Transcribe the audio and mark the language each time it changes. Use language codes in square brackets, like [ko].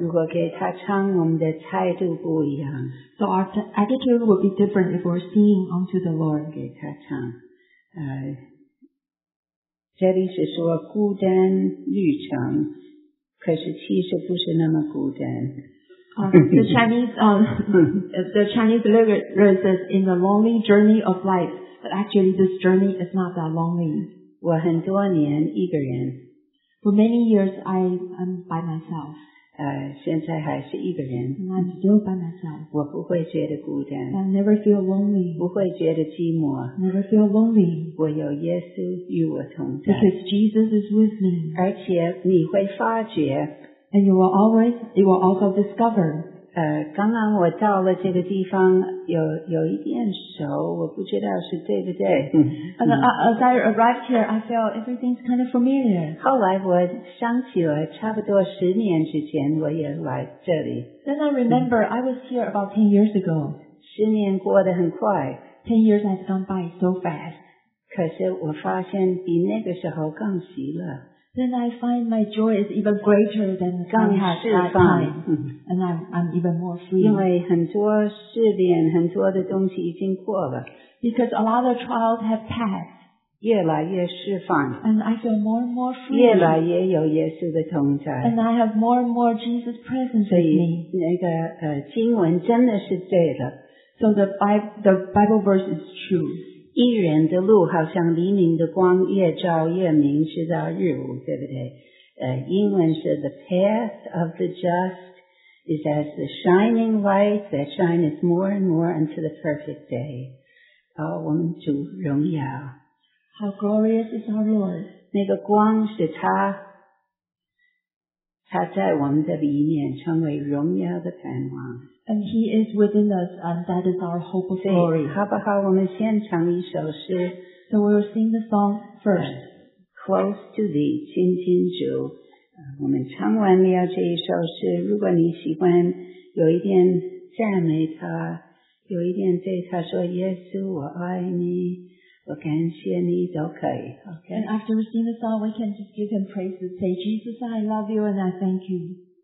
[zh] 如果给他唱，我们的态度不一样。 [en] So our attitude will be different if we're singing unto the Lord. [zh] 给他唱。这里是说孤单旅程，可是其实不是那么孤单。 [en] The Chinese lyric says, in the lonely journey of life, but actually this journey is not that lonely. [zh] 我很多年一个人。 [en] For many years, I am by myself. [zh] 现在还是一个人。 [en] I'm still by myself. [zh] 我不会觉得孤单。 [en] I never feel lonely. [zh] 不会觉得寂寞。 [en] Never feel lonely. [zh] 我有耶稣与我同在。 [en] Because Jesus is with me. [zh] 而且你会发觉。 [en] And you will also discover. [zh] 刚刚我到了这个地方有一点熟我不知道是对不对。 [en] As I arrived here, I felt everything's kind of familiar. [zh] 后来我想起了差不多十年之前我也来这里。 [en] Then I remember, I was here about 10 years ago. [zh] 十年过得很快。 [en] 10 years has gone by so fast. [zh] 可是我发现比那个时候更喜乐。 [en] Then I find my joy is even greater than I had that time. And I'm even more free. [zh] 因为很多试炼很多的东西已经过了。 [en] Because a lot of trials have passed. [zh] 越来越释放。 [en] And I feel more and more free. [zh] 越来越有耶稣的同在。 [en] And I have more and more Jesus presence with me. [zh] 所以那个经文真的是对的。 [en] So the Bible verse is true. [zh] 一人的路好像黎明的光越照越明直到日午对不对英文是 [en] The path of the just is as the shining light that shines more and more unto the perfect day. [zh] 好我们主荣耀。 [en] How glorious is our Lord. [zh] 那个光是他在我们的里面成为荣耀的盼望。 [en] And he is within us, and that is our hope of glory. [zh] 好不好我们先唱一首诗。 [en] So we will sing the song first. Close to thee, [zh] 亲近主。我们唱完了这一首诗，如果你喜欢有一点赞美他，有一点对他说耶稣我爱你，我感谢你都可以。 [en] Okay. And after we sing the song, we can just give him praises. Say, Jesus, I love you and I thank you.